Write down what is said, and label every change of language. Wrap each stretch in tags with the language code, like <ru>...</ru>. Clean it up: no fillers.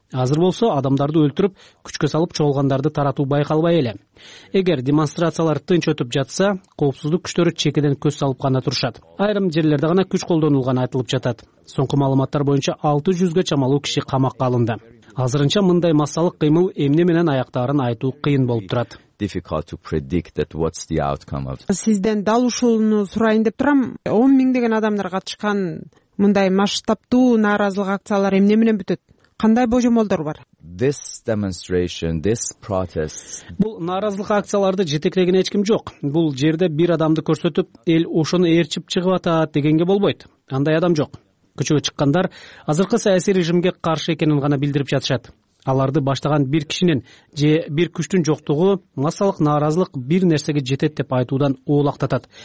<ky>Азыр болсо адамдарды өлтүрүп, күчкө салып чогулгандарды таратуу байкалбай эле. Эгер демонстрациялар тынч өтүп жатса, коопсуздук күчтөрү чекеден көз салып гана турушат. Айрым жерлерде гана күч колдонулганы айтылып жатат. Соңку маалыматтар боюнча 600 чамалуу киши камакка алынды. Азырынча мындай массалык кыймыл эмне менен аяктарын айтуу кыйын болуп турат.</ky> <en>Difficult to predict that what's the outcome of.</en> <ky>Сизден дал ушулну сурайын деп турам. 10,000 деген адамдар катышкан мындай масштабтуу нааразылык акциялары эмне менен бүтөт? Кандай божомолдор бар?</ky> <en>This demonstration, this protest.</en> <ky>Бул нааразылык акцияларды жетектеген эч ким жок. Бул жерде бир адамды көрсөтүп, эл ошону ээрчип чыгып атат дегенге болбойт. Андай адам жок. күчөгө чыккандар азыркы саясий режимге каршы экенин гана билдирип жатышат. Аларды баштаган бир кишинин же бир күчтүн жоктугу массалык нааразылык бир нерсеге жетет деп айтуудан уулактатат.</ky>